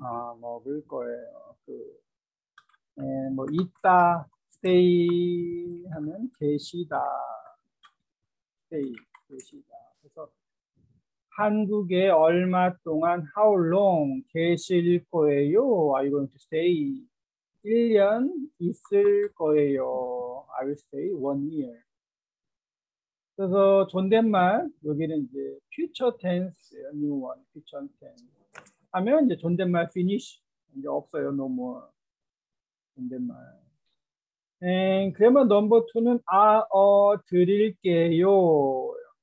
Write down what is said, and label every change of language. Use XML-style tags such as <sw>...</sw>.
<ko>아, 먹을 거예요. 그 뭐 있다, stay 하면 계시다. stay, 계시다. 한국에 얼마 동안 how long 계실 거예요?</ko> <en>Are you going to stay</en> <ko>1년 있을 거예요?</ko> <en>I will stay 1 year.</en> <ko>그래서 존댓말 여기는 이제 future tense, new one, future tense 하면 이제 존댓말 finish 이제 없어요, no more 존댓말. And 그러면 number 2는 드릴게요.</ko>